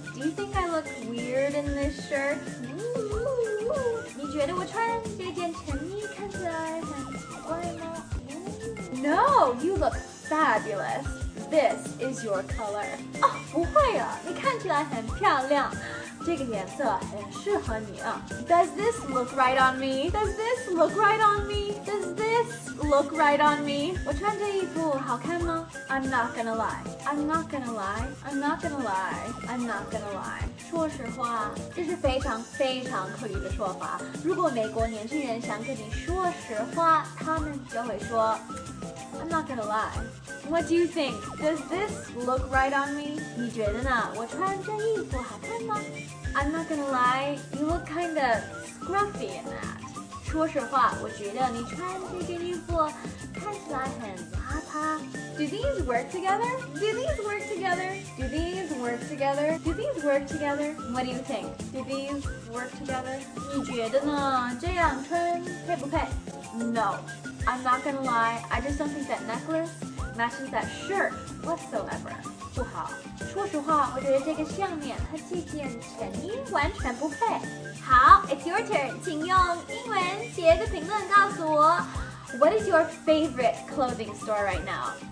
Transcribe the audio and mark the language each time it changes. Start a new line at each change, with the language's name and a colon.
English: Do you think I look weird in this shirt? Ooh, ooh, ooh.
Chinese: 你觉得我穿这件衬衣看起来很奇怪吗？
English: Ooh. No, you look fabulous. This is your color.
Chinese: 哦，不会啊，你看起来很漂亮。这个颜色很适合你啊。
English: Does this look right on me? Does this look right on me? Does this look right on me?
Chinese: 我穿这衣服好看吗？
English: I'm not gonna lie. I'm not gonna lie. I'm not gonna lie. I'm not gonna lie.
Chinese: 说实话，这是非常非常口语的说法。如果美国年轻人想跟你说实话，他们就会说
English: I'm not gonna lie. What do you think? Does this look right on me?
Chinese: 你觉得呢？我穿这衣服好看吗？
English: I'm not gonna lie, you look kind of scruffy in that.
Chinese: 说实话，我觉得你穿这件衣服看起来很邋遢。
English: Do these work together? Do these work together? Do these work together? Do these work together? What do you think? Do these work together?
Chinese: 你觉得呢？这样穿配不配？
English: No, I'm not gonna lie, I just don't think that necklace. Matches that shirt whatsoever.
Chinese: 不好，说实话，我觉得这个项链和这件衬衣完全不配。好 ，
English: It's your turn.
Chinese: 请用英文写个评论告诉我。
English: What is your favorite clothing store right now?